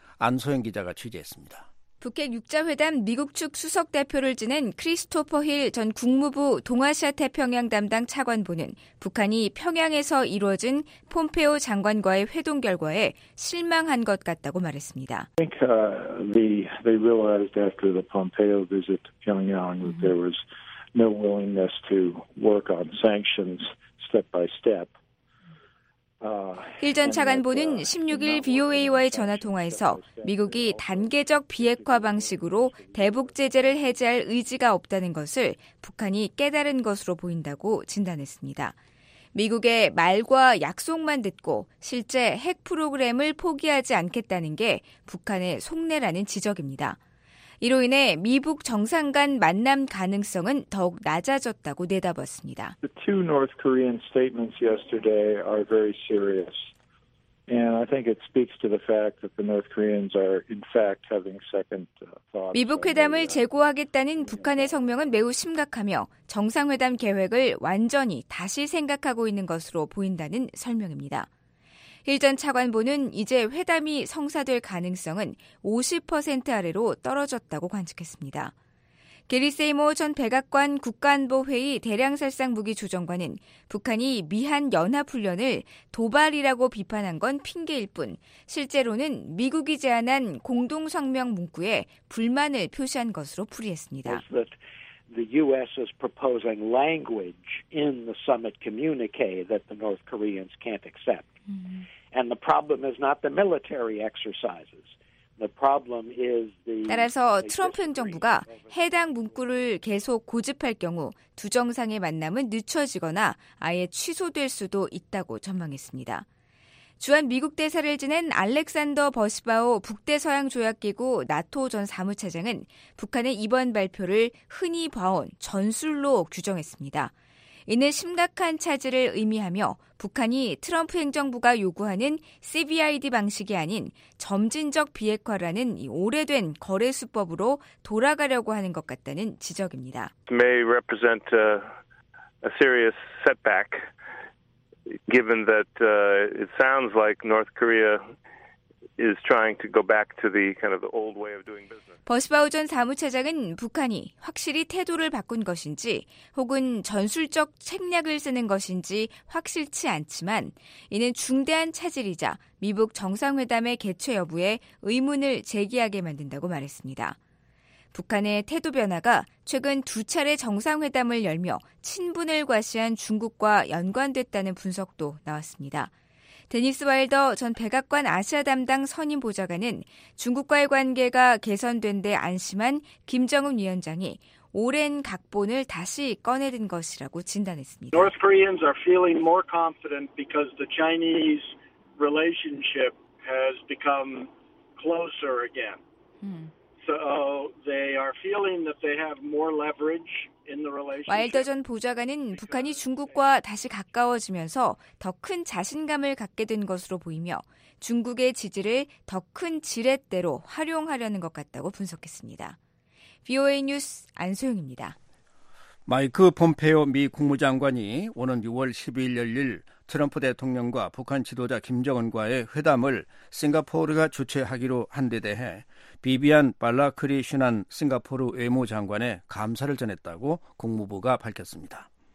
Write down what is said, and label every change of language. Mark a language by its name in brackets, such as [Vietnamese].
[Korean] 안소영 기자가 취재했습니다. 북핵 6자회담 미국 측 수석대표를 지낸 크리스토퍼 힐 전 국무부 동아시아태평양 담당 차관보는 북한이 평양에서 이루어진 폼페오 장관과의 회동 결과에 실망한 것 같다고 말했습니다. [English] I think they realized after the Pompeo visit to Pyongyang that there was no willingness to work on sanctions step by step. [Korean] 힐 전 차관보는 16일 VOA와의 전화통화에서 미국이 단계적 비핵화 방식으로 대북 제재를 해제할 의지가 없다는 것을 북한이 깨달은 것으로 보인다고 진단했습니다. 미국의 말과 약속만 듣고 실제 핵 프로그램을 포기하지 않겠다는 게 북한의 속내라는 지적입니다. 이로 인해 미북 정상 간 만남 가능성은 더욱 낮아졌다고 내다봤습니다. [English] The two North Korean statements yesterday are very serious. And I think it speaks to the fact that the North Koreans are in fact having second thoughts. [Korean] 미북 회담을 재고하겠다는 북한의 성명은 매우 심각하며 정상회담 계획을 완전히 다시 생각하고 있는 것으로 보인다는 설명입니다. 힐 전 차관보는 이제 회담이 성사될 가능성은 50% 아래로 떨어졌다고 관측했습니다. 게리 세이머 전 백악관 국가안보회의 대량살상무기조정관은 북한이 미한연합훈련을 도발이라고 비판한 건 핑계일 뿐 실제로는 미국이 제안한 공동성명 문구에 불만을 표시한 것으로 풀이했습니다. [English] The U.S. is proposing language in the summit communique that the North Koreans can't accept. And the problem is not the military exercises. The problem is the. [Korean] 따라서 트럼프 행정부가 해당 문구를 계속 고집할 경우 두 정상의 만남은 늦춰지거나 아예 취소될 수도 있다고 전망했습니다. 주한 미국 대사를 지낸 알렉산더 버시바오 북대서양조약기구 나토 전 사무차장은 북한의 이번 발표를 흔히 봐온 전술로 규정했습니다. 이는 심각한 차질을 의미하며 북한이 트럼프 행정부가 요구하는 CBID 방식이 아닌 점진적 비핵화라는 이 오래된 거래 수법으로 돌아가려고 하는 것 같다는 지적입니다. [English] May represent a serious setback given that it sounds like North Korea is trying to go back to the kind of the old way of doing business. [Korean] 버시바우 전 사무차장은 북한이 확실히 태도를 바꾼 것인지 혹은 전술적 책략을 쓰는 것인지 확실치 않지만 이는 중대한 차질이자 미북 정상회담의 개최 여부에 의문을 제기하게 만든다고 말했습니다. 북한의 태도 변화가 최근 두 차례 정상회담을 열며 친분을 과시한 중국과 연관됐다는 분석도 나왔습니다. 데니스 와일더 전 백악관 아시아 담당 선임 보좌관은 중국과의 관계가 개선된 데 안심한 김정은 위원장이 오랜 각본을 다시 꺼내든 것이라고 진단했습니다. [English] North Koreans are feeling more confident because the Chinese relationship has become closer again. So they are feeling that they have more leverage. [Korean] 와일더 전 보좌관은 북한이 중국과 다시 가까워지면서 더 큰 자신감을 갖게 된 것으로 보이며 중국의 지지를 더 큰 지렛대로 활용하려는 것 같다고 분석했습니다. VOA 뉴스 안소영입니다. 마이크 폼페오 미 국무장관이 오는 6월 12일 열릴 트럼프 대통령과 북한 지도자 김정은과의 회담을 싱가포르가 주최하기로 한 데 대해 비비안 발라크리슈난 싱가포르 외무장관의 감사를 전했다고 국무부가 밝혔습니다.